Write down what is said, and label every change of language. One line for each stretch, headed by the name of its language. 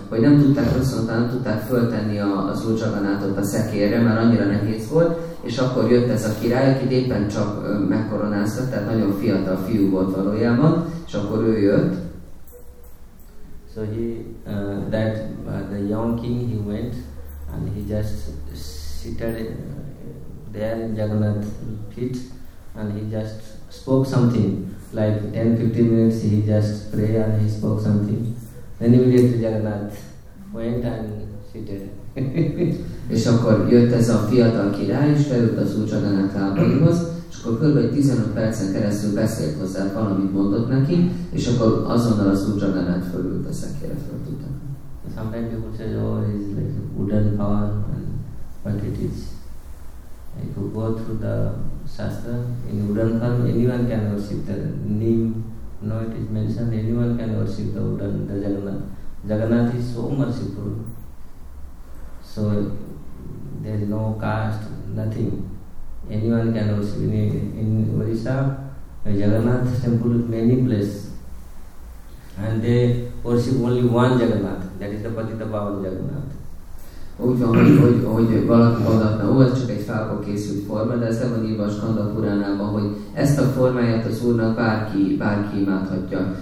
Hungarian: Vagy nem tudták rosszontán, nem tudták föltenni az Úr Jagannathot a szekérre, mert annyira nehéz volt, és akkor jött ez a király, akit éppen csak megkoronáztak, tehát nagyon fiatal fiú volt valójában, és akkor ő jött.
English: So the young king, he went, and he just seated there in Jagannath's feet, and he just spoke something, like 10-15 minutes he just pray and he spoke something. Then immediately Jagannath went and seated.
Hungarian: És akkor jött ez a fiatal király, és leült az Úr Jagannath lábaihoz, és akkor kb. 15 percen keresztül beszélt hozzá, valamit mondott neki, és akkor azonnal az Úr Jagannath fölült a szekére, föl tudta.
English: Sometimes people say, oh, it's like wooden power, and, but it is. If you go through the Shastra, in wooden form, anyone can worship the Nim. No, it is mentioned, anyone can worship the wooden, the Jagannath. Jagannath is so merciful. So, there is no caste, nothing. Anyone can worship. In Orissa, Jagannath temple is many places. And they worship only one Jagannath, that is the Patita Bhavan Jagannath.
Hungarian: Úgy van, hogy valaki mondhatna, ó, ez csak egy fából készült forma, de ez nem van írva a Skanda Puránában, hogy ezt a formáját az Úrnak bárki imádhatja.